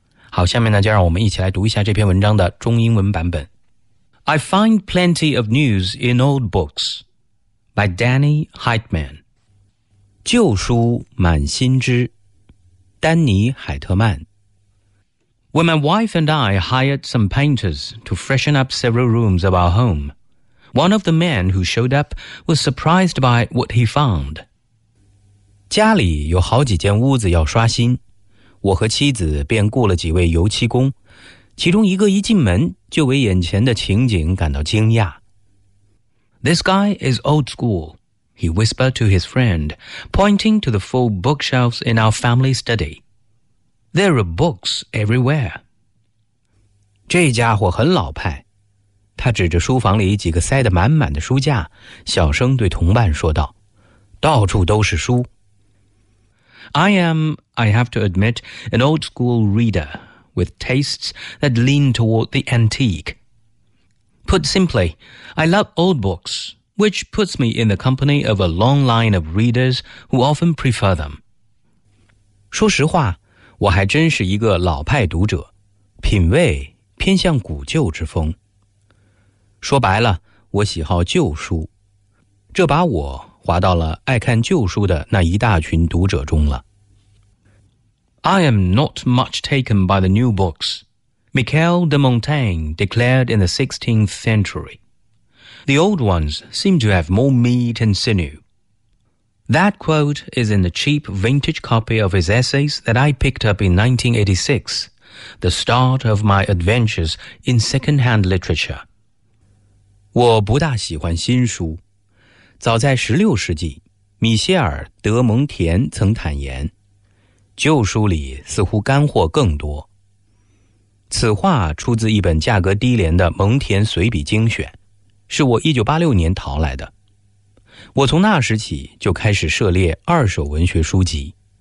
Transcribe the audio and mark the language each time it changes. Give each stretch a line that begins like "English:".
Chinese: 好，下面呢就让我们一起来读一下这篇文章的中英文版本。
English: I find plenty of news in old books by Danny Heitman。
Chinese: 旧书满新知，丹尼·海特曼。
English: When my wife and I hired some painters to freshen up several rooms of our home, one of the men who showed up was surprised by what he found.
Chinese: 家里有好几间屋子要刷新，我和妻子便雇了几位油漆工，其中一个一进门就为眼前的情景感到惊讶。
English: This guy is old school. He whispered to his friend, pointing to the full bookshelves in our family study. There are books everywhere.
Chinese: 这家伙很老派。他指着书房里几个塞得满满的书架，小声对同伴说道，到处都是书。
English: I have to admit, an old school reader with tastes that lean toward the antique. Put simply, I love old books. Which puts me in the company of a long line of readers who often prefer them.
Chinese: 说实话，我还真是一个老派读者，品味偏向古旧之风。说白了，我喜好旧书，这把我划到了爱看旧书的那一大群读者中了。
English: I am not much taken by the new books, Michel de Montaigne declared in the 16th century. The old ones seem to have more meat and sinew. That quote is in the cheap vintage copy of his essays that I picked up in 1986, the start of my adventures in second-hand literature.
Chinese: 我不大喜欢新书。早在16世纪，米歇尔·德蒙田曾坦言，旧书里似乎干货更多。此话出自一本价格低廉的蒙田随笔精选。是我1986年淘来的。我从那时起就开始涉猎二手文学书籍。